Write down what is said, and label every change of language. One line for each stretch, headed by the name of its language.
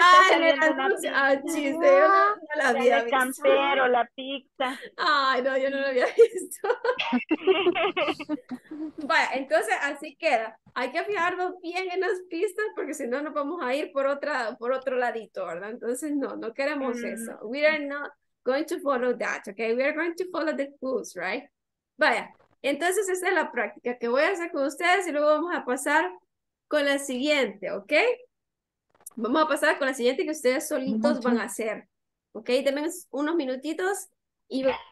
Spanish: Ah, en el anuncio. Ah, chiste. Yo no la había visto. El campero, la pizza. Ay, no, yo no la había visto. Vaya, entonces así queda. Hay que fijarnos bien en las pistas porque si no nos vamos a ir por otro ladito, ¿verdad? Entonces no queremos eso.
English: We are not going to follow that, okay? We are going to follow the clues, right?
Spanish: Vaya, entonces esa es la práctica que voy a hacer con ustedes y luego vamos a pasar con la siguiente, okay? Vamos a pasar con la siguiente que ustedes solitos van a hacer, okay? Denme unos minutitos y...